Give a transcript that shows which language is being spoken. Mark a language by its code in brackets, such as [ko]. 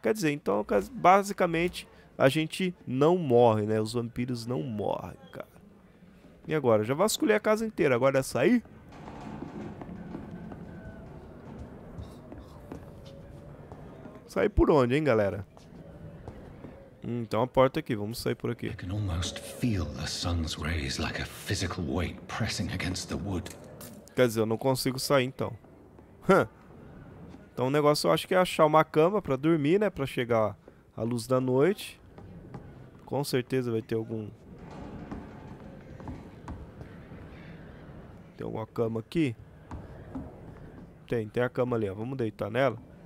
[pt] Quer dizer, então basicamente a gente não morre, né? Os vampiros não morrem, cara. E agora? Já vasculhei a casa inteira, agora é sair? Sair por onde, hein, galera? Então a porta aqui, vamos sair por aqui. [en] I can almost feel the sun's rays like a physical weight pressing against the wood. [pt] Quer dizer, eu não consigo sair então. Então o negócio eu acho que é achar uma cama pra dormir, né? Pra chegar à luz da noite. Com certeza vai ter algum. Tem alguma cama aqui? Tem a cama ali, ó. Vamos deitar nela.